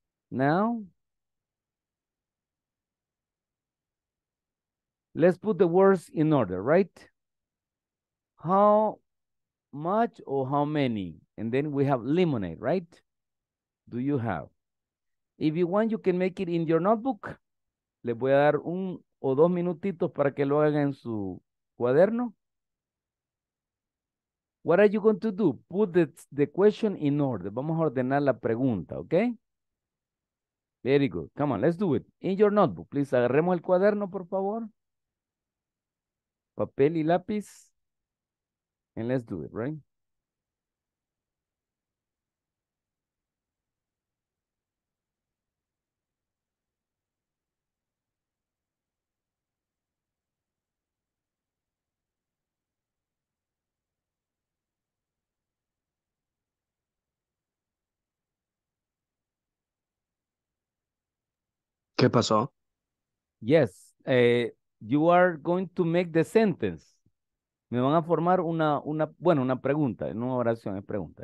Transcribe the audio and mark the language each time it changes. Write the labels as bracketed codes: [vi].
[en] Now, let's put the words in order, right? How much or how many? And then we have lemonade, right? Do you have? If you want, you can make it in your notebook. [es] Les voy a dar un o dos minutitos para que lo hagan en su cuaderno. [en] What are you going to do? Put the question in order. [es] Vamos a ordenar la pregunta, [en] okay? Very good. Come on, let's do it. In your notebook, please. [es] Agarremos el cuaderno, por favor. Papel y lápiz. [en] And let's do it, right? [es] ¿Qué pasó? [en] Yes, you are going to make the sentence. [es] Me van a formar una pregunta, en una oración, es pregunta.